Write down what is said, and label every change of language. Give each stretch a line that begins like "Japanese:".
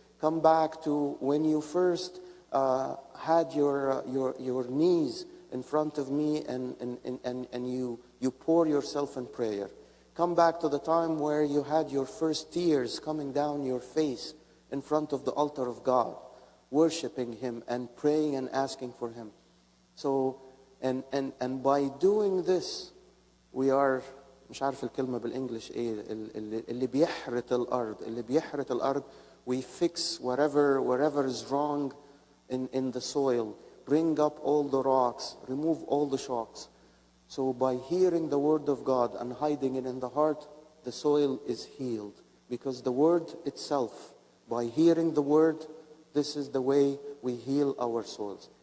English: Come back to when you first had your knees in front of me and you pour yourself in prayer. Come back to the time where you had your first tears coming down your face in front of the altar of God, worshiping him and praying and asking for him. So, and by doing this, we are,
Arabic: مش عارف الكلمة بالإنجليش إيه اللي بيحرط الأرض اللي بيحرط الأرض.
English: We fix wherever is wrong in the soil. Bring up all the rocks. Remove all the shocks. So by hearing the word of God and hiding it in the heart, the soil is healed. Because the word itself, by hearing the word, this is the way we heal our souls.